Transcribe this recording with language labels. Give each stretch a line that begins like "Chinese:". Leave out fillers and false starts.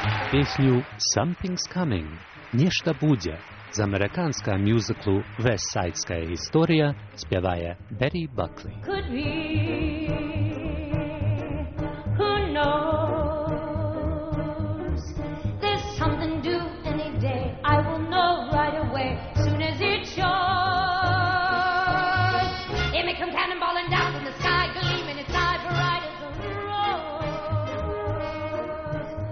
Russian: Песню «Something's Coming».
Ukrainian: «Нечто будет» з американського мюзиклу «Вестсайдська історія» співає Берри Бакли.
English: Could be, who knows, there's something due any day, I will know right away, soon as it shows. It may come cannonballing down from the sky, gleaming inside, bright as a rose.